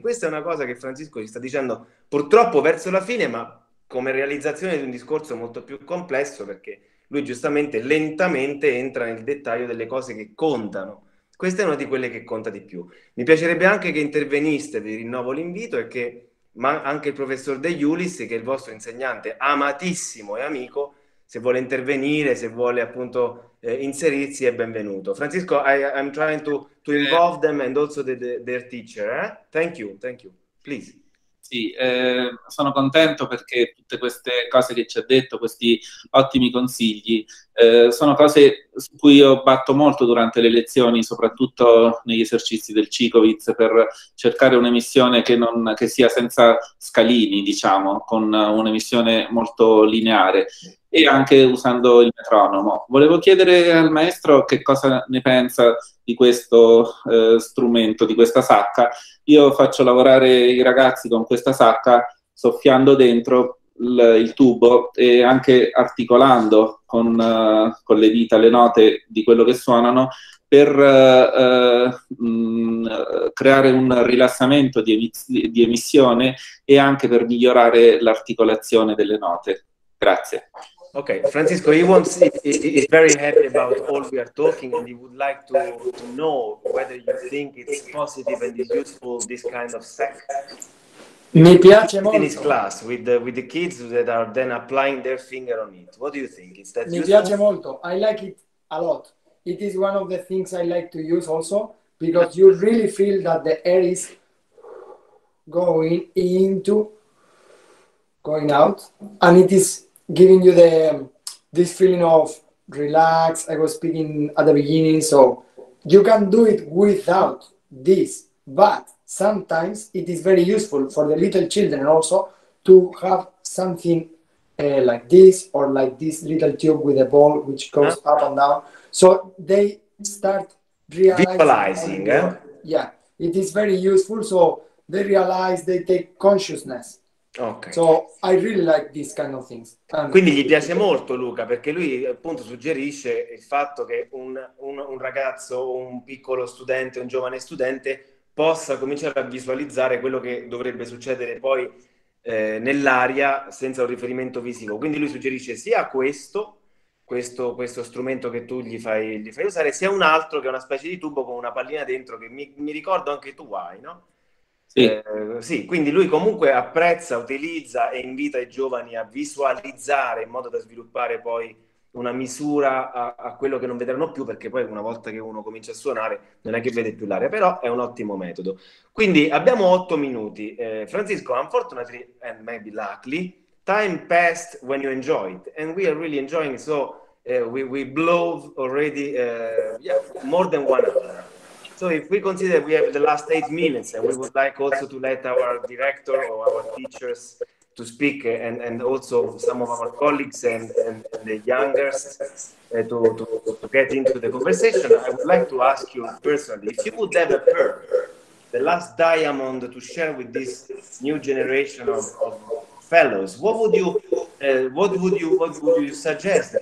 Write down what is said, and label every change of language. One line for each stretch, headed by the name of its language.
Italian: Questa è una cosa che Francisco ci sta dicendo purtroppo verso la fine, ma come realizzazione di un discorso molto più complesso, perché lui giustamente lentamente entra nel dettaglio delle cose che contano. Questa è una di quelle che conta di più. Mi piacerebbe anche che interveniste, vi rinnovo l'invito, e che ma anche il professor De Iulis, che è il vostro insegnante amatissimo e amico, se vuole intervenire, se vuole appunto inserirsi, è benvenuto.
English: Francisco, I'm trying to involve them and also their teacher. Eh? Thank you, please.
Italian: Sì, sono contento perché tutte queste cose che ci ha detto, questi ottimi consigli, sono cose su cui io batto molto durante le lezioni, soprattutto negli esercizi del Cicovitz, per cercare un'emissione che sia senza scalini, diciamo, con un'emissione molto lineare e anche usando il metronomo. Volevo chiedere al maestro che cosa ne pensa di questo strumento, di questa sacca. Io faccio lavorare i ragazzi con questa sacca soffiando dentro il tubo e anche articolando con le dita le note di quello che suonano per creare un rilassamento di emissione e anche per migliorare l'articolazione delle note. Grazie.
English: Okay, Francisco, he wants, he's very happy about all we are talking, and he would like to know whether you think it's positive and is useful, this kind of sack.
Italian: Mi piace molto.
English: In his class, with the kids that are then applying their finger on it. What do you think? Is that useful?
Italian: Mi piace molto.
English: I like it a lot. It is one of the things I like to use also, because you really feel that the air is going into, going out, and it is giving you this feeling of relax. I was speaking at the beginning, so you can do it without this, but sometimes it is very useful for the little children also to have something like this, or like this little tube with a ball which goes up and down, so they start visualizing. It is very useful, so they realize, they take consciousness. Okay. So I really like these kind of things.
Italian: Quindi gli piace molto, Luca, perché lui appunto suggerisce il fatto che un ragazzo, un piccolo studente, un giovane studente possa cominciare a visualizzare quello che dovrebbe succedere poi nell'aria senza un riferimento visivo. Quindi lui suggerisce sia questo strumento che tu gli fai usare, sia un altro che è una specie di tubo con una pallina dentro che mi ricordo anche tu hai, no? Sì. Sì, quindi lui comunque apprezza, utilizza e invita i giovani a visualizzare in modo da sviluppare poi una misura a quello che non vedranno più, perché poi una volta che uno comincia a suonare non è che vede più l'aria, però è un ottimo metodo. Quindi abbiamo 8 minuti.
English: Francisco, unfortunately and maybe luckily, time passed when you enjoyed, and we are really enjoying, so we blow already more than 1 hour. So if we consider we have the last 8 minutes, and we would like also to let our director or our teachers to speak, and also some of our colleagues and the youngest to get into the conversation, I would like to ask you personally, if you would have a pearl, the last diamond to share with this new generation of fellows, what would you suggest?